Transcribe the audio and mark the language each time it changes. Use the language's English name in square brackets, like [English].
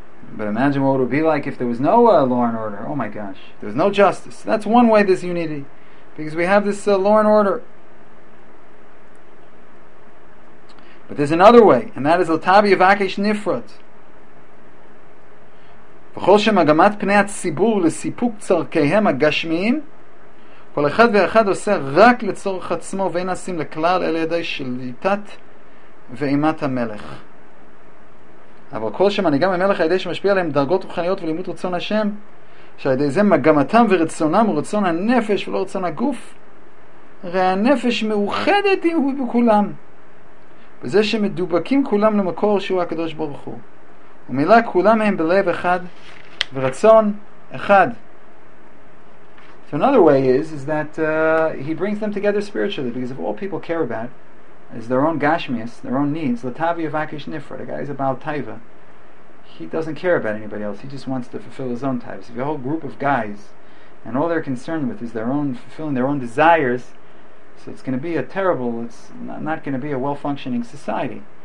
[English] But imagine what it would be like if there was no law and order. Oh my gosh. There was no justice. That's one way, this unity. Because we have this law and order. But there's another way, and that is Latabi of Akesh Nifrat. [Hebrew] וכל שמגמת פני הציבור לסיפוק צורכיהם הגשמיים, כל אחד ואחד עושה רק לצורך עצמו ואין עושים לכלל אלא ידי שליטת ואימת המלך. אבל כל שמנהיגם המלך הידי שמשפיע עליהם דרגות רוחניות ולימוד רצון השם, שעל ידי זה מגמתם ורצונם ורצון הנפש ולא רצון הגוף, הרי הנפש מאוחדת עם הוא בכולם, וזה שמדובקים כולם למקור שהוא הקדוש ברוך הוא, ומילא כולם הם בלב אחד ורצון אחד. [English] So another way is that he brings them together spiritually, because if all people care about is their own gashmias, their own needs, latavi avakish nifra, the guy is about taiva, he doesn't care about anybody else, he just wants to fulfill his own taiva. So if a whole group of guys and all they're concerned with is their own fulfilling their own desires, so it's going to be a terrible, it's not going to be a well-functioning society.